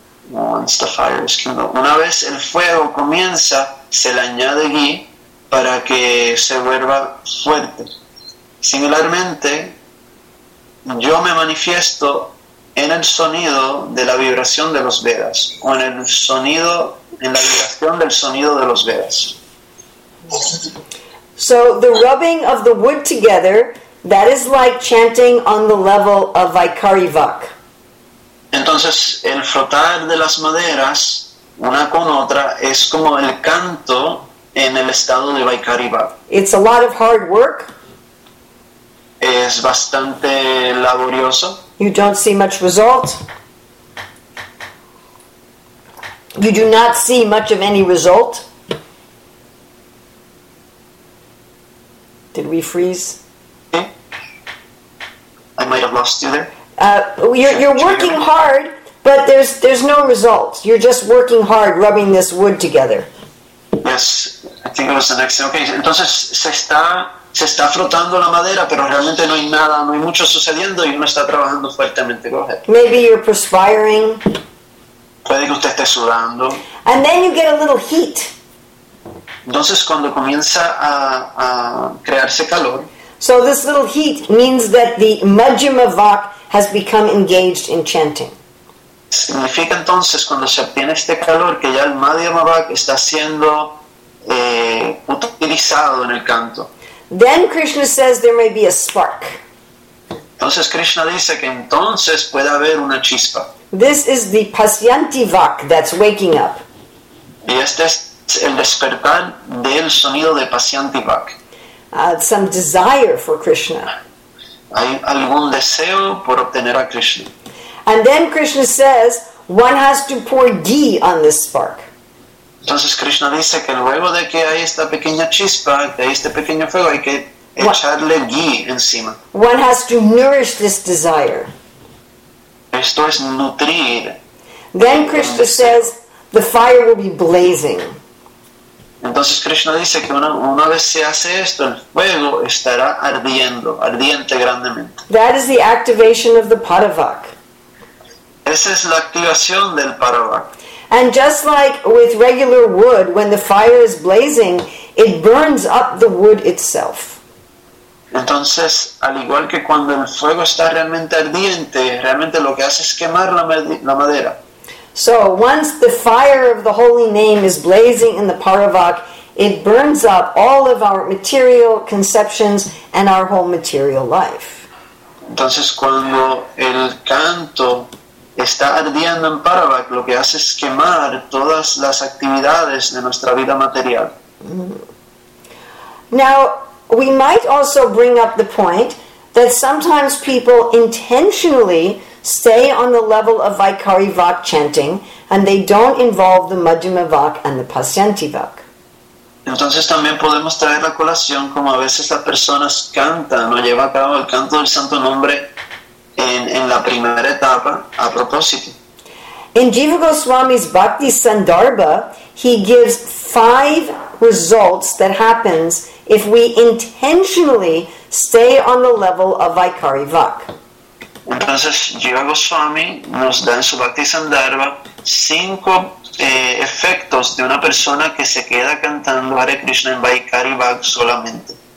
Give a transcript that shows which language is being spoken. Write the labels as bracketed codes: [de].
[en] Once the fire is kindled. [es] Una vez el fuego comienza, se le añade ghee para que se vuelva fuerte. Similarmente, yo me manifiesto en el sonido de la vibración de los Vedas, o en el sonido, en la vibración del sonido de los Vedas. [en] So the rubbing of the wood together, that is like chanting on the level of Vaikari Vak. [es] Entonces, el frotar de las maderas una con otra es como el canto en el estado de Vaikari Vak. [en] It's a lot of hard work. [es] Es bastante laborioso. [en] You don't see much result. You do not see much of any result. Did we freeze? I might have lost you there. You're working hard, but there's no result. You're just working hard, rubbing this wood together. Yes, I think it was the next thing. [es] Okay, entonces se está frotando la madera, pero realmente no hay nada, no hay mucho sucediendo y uno está trabajando fuertemente. [en] Go ahead. Maybe you're perspiring. [es] Puede que usted esté sudando. [en] And then you get a little heat. [es] Entonces cuando comienza a crearse calor. [en] So this little heat means that the Majjhima Vak has become engaged in chanting. [es] Significa entonces cuando se obtiene este calor que ya el Majjhima Vak está siendo utilizado en el canto. [en] Then Krishna says there may be a spark. [es] Entonces Krishna dice que entonces puede haber una chispa. [en] This is the Pasyanti Vak that's waking up. [es] Y este es el despertar del sonido de Pasyanti Vak. [en] Some desire for Krishna. [es] Hay algún deseo por obtener a Krishna. [en] And then Krishna says, one has to pour ghee on this spark. [es] Entonces Krishna dice que luego de que hay esta pequeña chispa, de este pequeño fuego, hay que echarle ghee encima. [en] One has to nourish this desire. [es] Esto es nutrir. [en] Then Krishna says, the fire will be blazing. [es] Entonces Krishna dice que una vez se hace esto, el fuego estará ardiendo, ardiente grandemente. [en] That is the activation of the Paravak. [es] Esa es la activación del Paravak. [en] And just like with regular wood, when the fire is blazing, it burns up the wood itself. [es] Entonces, al igual que cuando el fuego está realmente ardiente, realmente lo que hace es quemar la madera. [en] So once the fire of the holy name is blazing in the Paravak, it burns up all of our material conceptions and our whole material life. [es] Entonces cuando el canto está ardiendo en Paravak, lo que hace es quemar todas las actividades de nuestra vida material. [en] Now, we might also bring up the point that sometimes people intentionally stay on the level of Vaikari Vak chanting, and they don't involve the Majjhima Vak and the Pasyanti Vak. [es] Entonces también podemos traer la colación como a veces las personas cantan, no lleva a cabo el canto del Santo Nombre en la primera etapa a propósito. [en] In Jiva Goswami's Bhakti Sandarbha, he gives 5 results that happens if we intentionally stay on the level of Vaikari Vak. [es] Entonces, Jiva Goswami nos da en su Bhakti Sandarbha 5 efectos de una persona que se queda cantando Hare Krishna en Vaikari Vak solamente.